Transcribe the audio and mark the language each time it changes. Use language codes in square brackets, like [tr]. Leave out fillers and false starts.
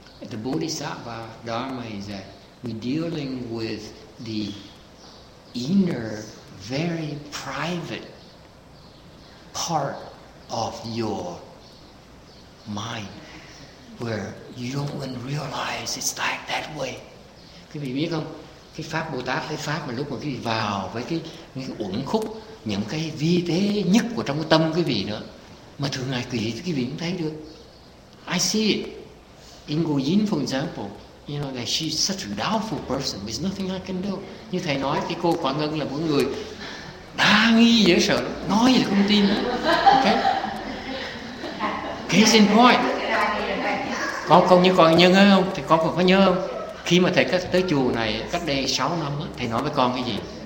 [en] The Bodhisattva Dharma is that we're dealing with the inner, very private part of your mind where you don't even realize it's like that way. [vi] Quý vị biết không? Cái pháp Bồ Tát, cái pháp mà lúc mà quý vị vào với cái uẩn khúc, những cái vi tế nhất của trong tâm quý vị nữa, mà thường ngày quý vị cũng thấy được. [en] I see it. In Ngô Yến, for example, you know, that she's such a doubtful person, there's nothing I can do. [vi] Như thầy nói, cái cô Quả Ngân là một người đa nghi dễ sợ, nói gì là không tin. Okay? [en] Case in point. [vi] Con như con nhân ấy không? Thì con còn có nhớ không? Khi mà thầy tới chùa này cách đây 6 năm á, thầy nói với con cái gì?